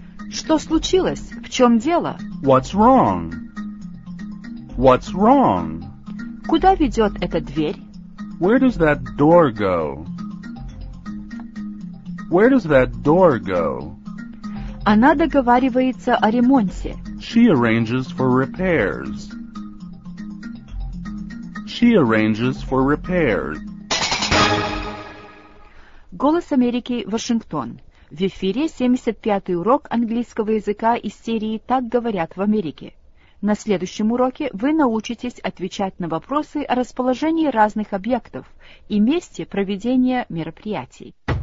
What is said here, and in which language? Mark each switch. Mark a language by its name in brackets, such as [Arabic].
[Russian] Что случилось? В чем дело? [English] What's wrong? What's wrong? [Russian] Куда ведет эта дверь? [English] Where does that door go? Where does that door go? [Russian] Она договаривается о ремонте. [English] She arranges for repairs. She arranges for repairs. [Russian] Голос Америки, Вашингтон. В эфире 75-й урок английского языка из серии «Так говорят в Америке». На следующем уроке вы научитесь отвечать на вопросы о расположении разных объектов и месте проведения мероприятий.